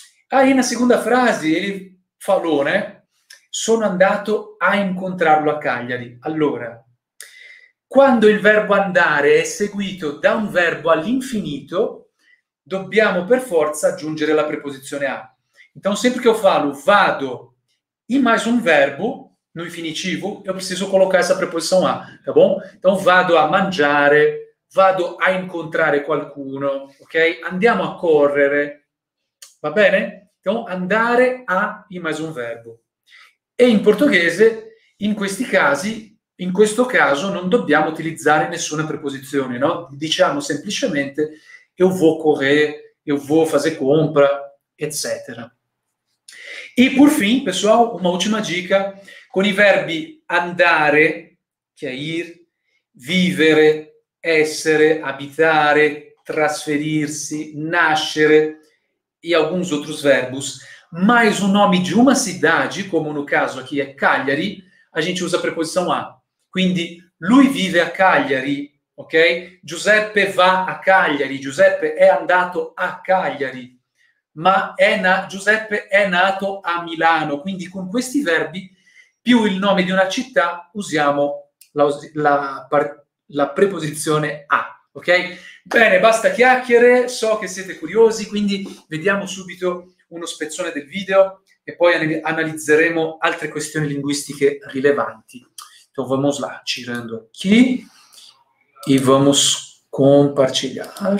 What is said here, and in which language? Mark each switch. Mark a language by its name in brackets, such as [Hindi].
[Portuguese] Aí na segunda frase ele falou, né? [Italian] Sono andato a incontrarlo a Cagliari. Allora, quando il verbo andare è seguito da un verbo all'infinito, dobbiamo per forza aggiungere la preposizione a. [Portuguese] Então, sempre che io falo vado e mais un verbo no infinitivo, io preciso colocar essa preposição a, tá bom? Então, [Italian] vado a mangiare, vado a incontrare qualcuno, ok? Andiamo a correre, va bene? [Portuguese] Então, andare a e mais un verbo. [Italian] E in portoghese, in questi casi, in questo caso, non dobbiamo utilizzare nessuna preposizione, no? Diciamo semplicemente, [Portuguese] eu vou correr, eu vou fazer compra, [Italian] etc. [Portuguese] E por fim, pessoal, uma última dica, con i verbi andare, che è ir, vivere, essere, abitare, trasferirsi, nascere e alguns outros verbos, mais o nome de uma cidade, como no caso aqui é Cagliari, a gente usa a preposição a. [Italian] Quindi, lui vive a Cagliari, ok? Giuseppe va a Cagliari, Giuseppe è andato a Cagliari, ma Giuseppe è nato a Milano. Quindi, con questi verbi, più il nome di una città, usiamo la preposizione a, ok? Bene, basta chiacchiere, so che siete curiosi, quindi vediamo subito uno spezzone del video e poi analizzeremo altre questioni linguistiche rilevanti. [Portuguese] Então vamos lá, tirando aqui e vamos compartilhar.